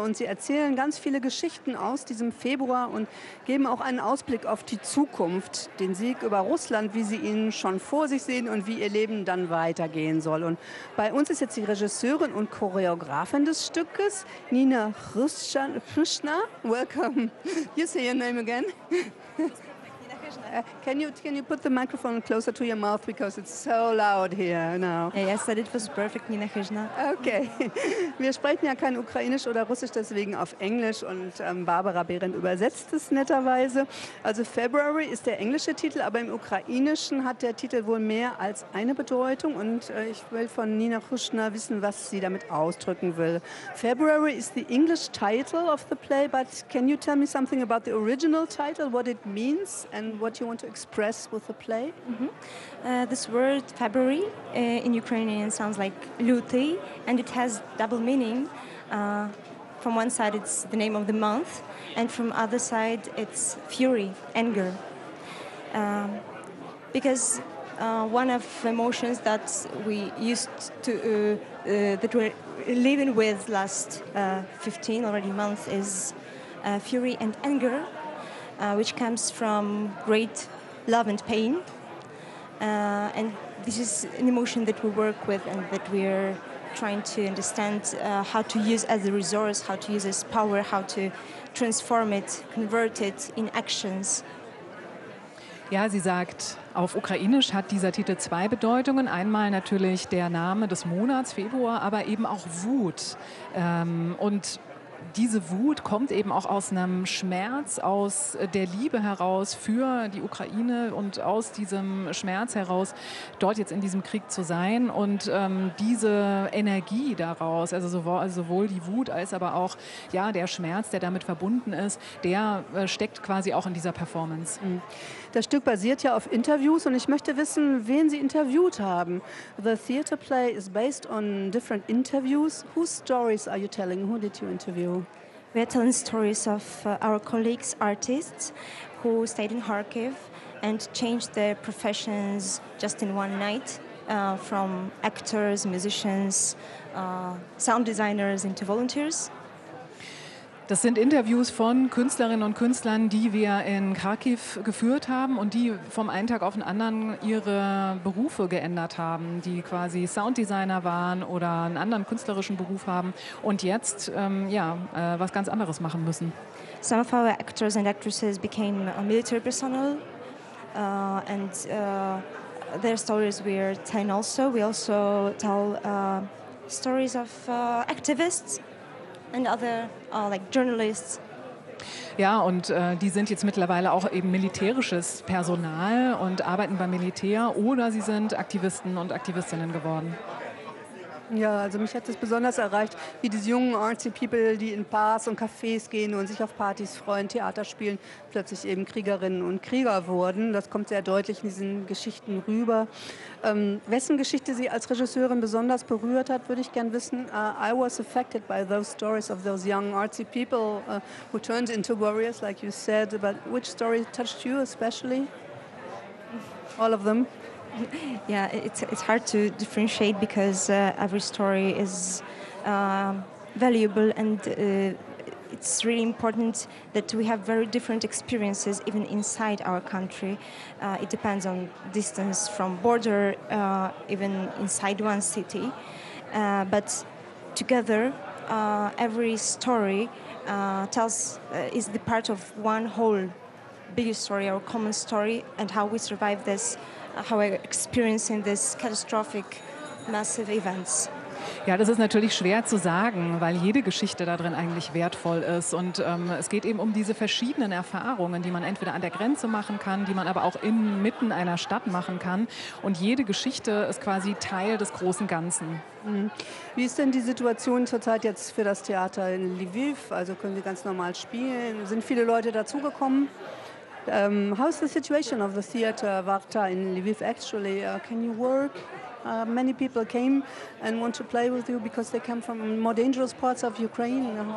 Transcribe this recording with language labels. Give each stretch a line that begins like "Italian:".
German: Und sie erzählen ganz viele Geschichten aus diesem Februar und geben auch einen Ausblick auf die Zukunft, den Sieg über Russland, wie sie ihn schon vor sich sehen und wie ihr Leben dann weitergehen soll. Und bei uns ist jetzt die Regisseurin und Choreografin des Stückes, Nina Hrishna.
English: Welcome. You say your name again. Can you put the microphone closer to your mouth because it's so loud here now? Yes, that it was perfect, Nina Hrishna. Okay.
German: Wir sprechen ja kein Ukrainisch oder Russisch, deswegen auf Englisch und Barbara Behrendt übersetzt es netterweise. Also February ist der englische Titel, aber im Ukrainischen hat der Titel wohl mehr als eine Bedeutung und ich will von Nina Hrishna wissen, was sie damit ausdrücken will.
English: February is the English title of the play, but can you tell me something about the original title, what it means and what you want to express with the play? This word February in Ukrainian sounds like luty, and it has double meaning. From one side it's the name of the month, and from other side it's fury, anger. Because one of the emotions that we used to that we're living with last 15 already months is fury and anger. Which comes from great love and pain. And this is an emotion that we work with and that we're trying to understand how to use as a resource, how to use as power, how to transform it, convert it in actions.
German: Ja, sie sagt, auf Ukrainisch hat dieser Titel 2 Bedeutungen. Einmal natürlich der Name des Monats, Februar, aber eben auch Wut. Und diese Wut kommt eben auch aus einem Schmerz, aus der Liebe heraus für die Ukraine und aus diesem Schmerz heraus, dort jetzt in diesem Krieg zu sein. Und diese Energie daraus, also sowohl die Wut als aber auch ja, der Schmerz, der damit verbunden ist, der steckt quasi auch in dieser Performance. Das Stück basiert ja auf Interviews und ich möchte wissen, wen Sie interviewt haben.
English: The theater play is based on different interviews. Whose stories are you telling? Who did you interview? We are telling stories of our colleagues, artists, who stayed in Kharkiv and changed their professions just in one night, from actors, musicians, sound designers into volunteers.
German: Das sind Interviews von Künstlerinnen und Künstlern, die wir in Kharkiv geführt haben und die vom einen Tag auf den anderen ihre Berufe geändert haben, die quasi Sounddesigner waren oder einen anderen künstlerischen Beruf haben und jetzt was ganz anderes machen müssen.
English: Some of our actors and actresses became a military personnel and their stories we are telling also. We also tell stories of activists and other like journalists.
German: Ja, und die sind jetzt mittlerweile auch eben militärisches Personal und arbeiten beim Militär oder sie sind Aktivisten und Aktivistinnen geworden. Ja, also mich hat es besonders erreicht, wie diese jungen
English: artsy People,
German: die in Bars und Cafés gehen und sich auf Partys freuen, Theater spielen, plötzlich eben Kriegerinnen und Krieger wurden. Das kommt sehr deutlich in diesen Geschichten rüber. Wessen Geschichte Sie als Regisseurin besonders berührt hat, würde ich gern wissen.
English: I was affected by those stories of those young artsy people who turned into warriors, like you said. But which story touched you especially? All of them? Yeah, it's hard to differentiate because every story is valuable and it's really important that we have very different experiences even inside our country. It depends on distance from border, even inside one city. But together, every story tells is the part of one whole biggest story, our common story, and how we survived this, how we're experiencing this catastrophic, massive events.
German: Ja, das ist natürlich schwer zu sagen, weil jede Geschichte da drin eigentlich wertvoll ist. Und es geht eben um diese verschiedenen Erfahrungen, die man entweder an der Grenze machen kann, die man aber auch inmitten einer Stadt machen kann. Und jede Geschichte ist quasi Teil des großen Ganzen. Wie ist denn die Situation zurzeit jetzt für das Theater in Lviv? Also können Sie ganz normal spielen? Sind viele Leute dazugekommen?
English: How is the situation of the theater Varta in Lviv actually? Can you work? Many people came and want to play with you because they come from more dangerous parts of Ukraine.